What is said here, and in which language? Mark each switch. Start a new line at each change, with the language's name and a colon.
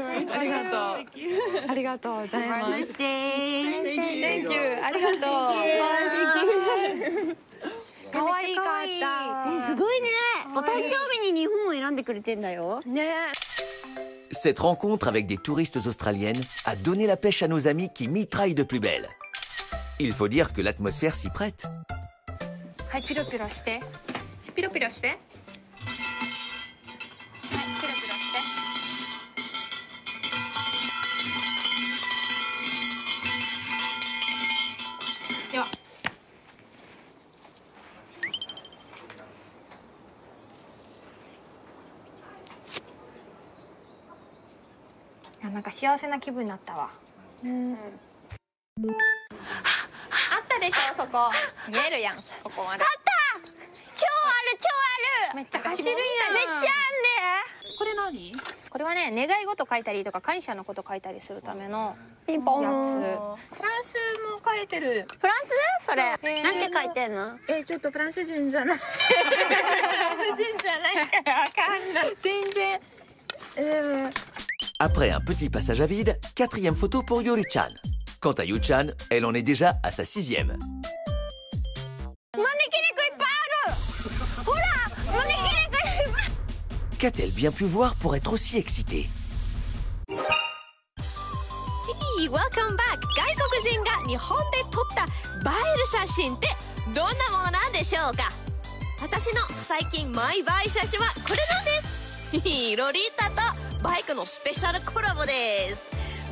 Japanese: ありがとうございます。
English: Happy birthday! Thank you!
Japanese: ありがとう。
English: Thank you! Thank you!
Japanese: 可愛かった。すごいね、お誕生日に日本を選んでくれてんだよね。
French: Cette rencontre avec des touristes australiennes a donné la pêche à nos amis qui mitraillent de plus belle. Il faut dire que l'atmosphère s'y prête.
Japanese: Hai, piro piro shite. Piro piro shite. Hai, piro piro shite. Dewa. なんか幸せな気分になったわ。うん、あったでしょ、そこ見えるやん、ここまで。あった、超ある、超ある、めっちゃ走るやん、めっちゃあんで。これ何？これはね、願い事書いたりとか感謝のこと書いたりするためのピンポン。フランスも書いてる。フランス？それ、なんて書いてんの？ちょっとフランス人じゃない、フランス人じゃない、わかんない、全然。
French: Après un petit passage à vide, quatrième photo pour Yuri-chan. Quant à Yu-chan, elle en est déjà à sa sixième. Qu'a-t-elle bien pu voir pour être aussi excitée?
English: Hey, welcome back!
Japanese: 外国人が日本で撮った映える写真ってどんなものなんでしょうか？私の最近マイ映え写真はこれなんです。ロリータとバイクのスペシャルコラボです。